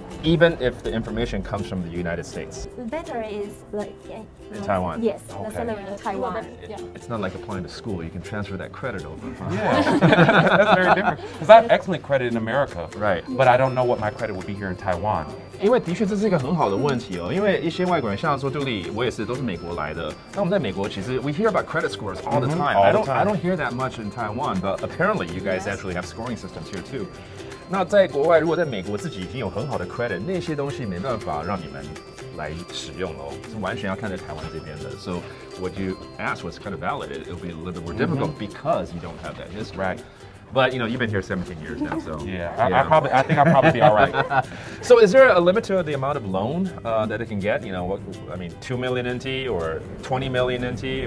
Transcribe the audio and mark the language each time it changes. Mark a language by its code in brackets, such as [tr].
[en] Even if the information comes from the United States? Better is Taiwan. Yes, okay. The salary in Taiwan. It's not like applying to school. You can transfer that credit over. Yeah. That's very different. Because I have excellent credit in America. Right. But I don't know what my credit would be here in Taiwan. Taiwan? [zh] 因为的确这是一个很好的问题哦，因为一些外国人，像说杜丽，我也是都是美国来的。那我们在美国，其实 [en] we hear about credit scores all the time. Mm-hmm, all the time. I don't hear that much in Taiwan, but apparently you guys actually have scoring systems here too. [zh] 那在国外，如果在美国自己已经有很好的 credit， 那些东西没办法让你们来使用喽，是完全要看在台湾这边的。 [en] So what you ask was kind of valid. It will be a little bit more difficult、mm-hmm. because you don't have that history. Right. But, you know, you've been here 17 years now, so... Yeah, I think I'll probably be all right. So is there a limit to the amount of loan that it can get? You know, what, I mean, 2 million NT or 20 million NT?